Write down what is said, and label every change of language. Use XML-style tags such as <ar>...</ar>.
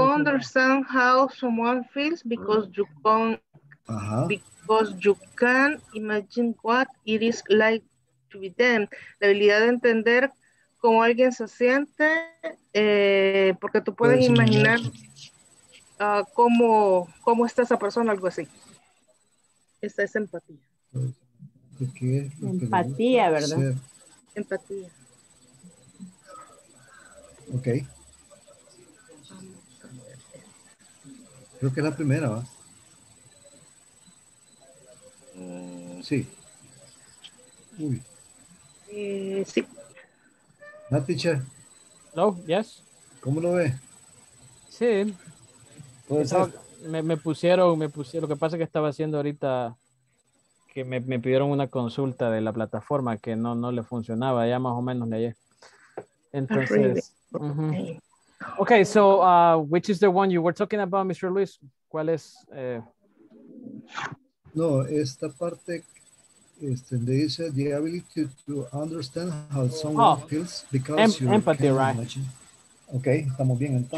<en>To understand how someone feels because you can't. Because you can imagine what it is like to be them.</en> <es>La habilidad de entender cómo alguien se siente, porque tú puedes imaginar cómo está esa persona, algo así. Esa es empatía. Empatía, ¿verdad? Ser. Empatía. Ok. Creo que es la primera, ¿va? Sí. Uy. Sí. La teacher.</es> <en>No, yes.</en> <es>¿Cómo lo ve? Sí. ¿Puede ser? Me pusieron, lo que pasa es que estaba haciendo ahorita que me pidieron una consulta de la plataforma que no le funcionaba, ya más o menos leí. Entonces.</es> <en>Okay, so which is the one you were talking about, Mr.</en> <es>Luis? ¿Cuál es? No, esta parte le dice</es> <en>the ability to understand how someone feels because you empathy, can right. imagine.</en> <es>Ok, estamos bien entonces.</es>